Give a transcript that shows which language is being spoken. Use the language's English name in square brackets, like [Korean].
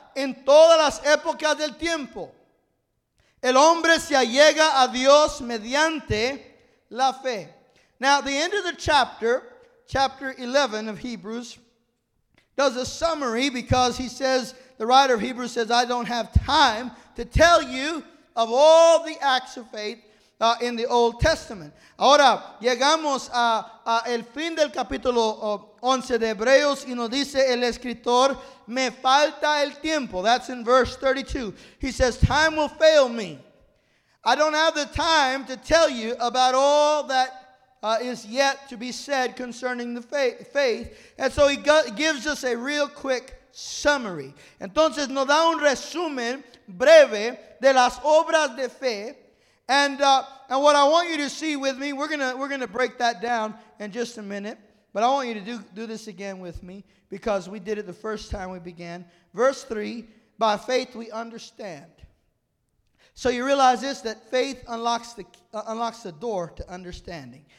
[Spanish] En todas las épocas del tiempo, el hombre se allega a Dios mediante la fe. [English] Now, the end of the chapter, chapter 11 of Hebrews, does a summary because he says, the writer of Hebrews says, I don't have time to tell you of all the acts of faith in the Old Testament. [Spanish] Ahora, llegamos a el fin del capítulo 11 de Hebreos y nos dice el escritor, me falta el tiempo. [English] That's in verse 32. He says, time will fail me. I don't have the time to tell you about all that is yet to be said concerning the faith. And so he gives us a real quick summary. [Spanish] Entonces, nos da un resumen breve de las obras de fe. [English] And what I want you to see with me, we're gonna break that down in just a minute. But I want you to do this again with me because we did it the first time we began. Verse 3, by faith we understand. So you realize this, that faith unlocks the door to understanding.